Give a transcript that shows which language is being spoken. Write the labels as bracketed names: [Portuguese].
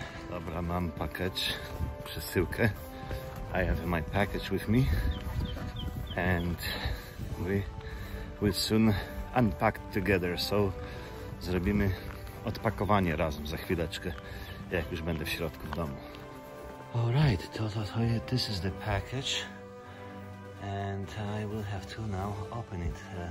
[Polish] Dobra, mam package, przesyłkę. [English] I have my package with me. And we will soon unpack together. [Polish] So zrobimy odpakowanie razem za chwileczkę, jak już będę w środku w domu. [English] All right, this is the package. And I will have to now open it.